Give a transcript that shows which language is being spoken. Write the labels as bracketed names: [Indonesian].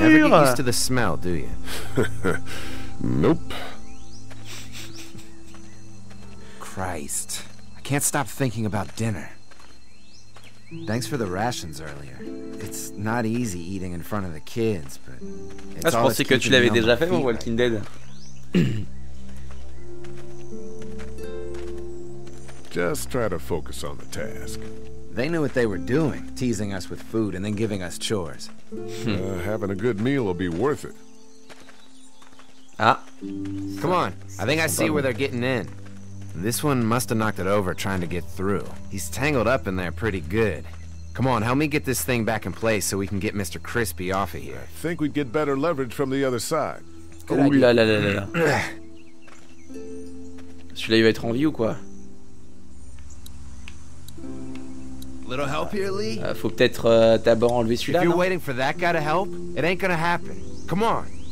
[English] You never get used to the smell, do you? Nope. Christ. I can't stop thinking about dinner. Thanks for the rations earlier. It's not easy eating in front of the kids, but it's [French] ah, je pensais que tu l'avais déjà fait, mon Walking Dead. [English] Just try to focus on the task. They knew what they were doing, teasing us with food and then giving us chores. Having a good meal will be worth it. Ah. Come on, I think I see where they're getting in. This one must have knocked it over trying to get through. He's tangled up in there pretty good. Come on, help me get this thing back in place so we can get Mr. Crispy off of here. I think we'd get better leverage from the other side. [French] Ooh la la la la la. Celui-là, il va être en vie ou quoi? [English] Little help here, Lee? [French] Faut peut-être d'abord enlever celui-là, non? [English] If you're waiting for that guy to help, it ain't gonna happen. Come on.